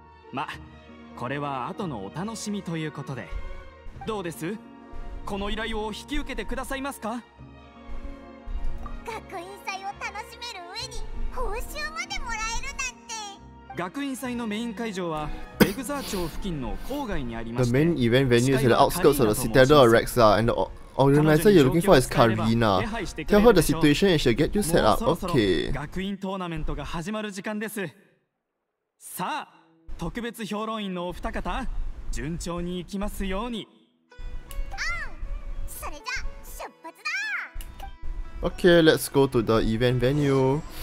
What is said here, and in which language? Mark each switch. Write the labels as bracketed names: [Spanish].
[Japanese] まあこれは後のお楽しみということで。どうです、この依頼を引き受けてくださいますか。学院祭を楽しめる上に報酬までもらえるなんて。学院祭のメイン会場はベグザー町付近の郊外にありまして [English] The main event venue is at the outskirts of the Citadel of Rexar and the organizer you're looking for is Karina. Tell her the situation and she'll get you set up. Okay. [Japanese] 学院トーナメントが始まる時間です。さあ、特別評論員のお二方、順調に行きますように。うん。それじゃ、出発だ。 [English] Okay, let's go to the event venue.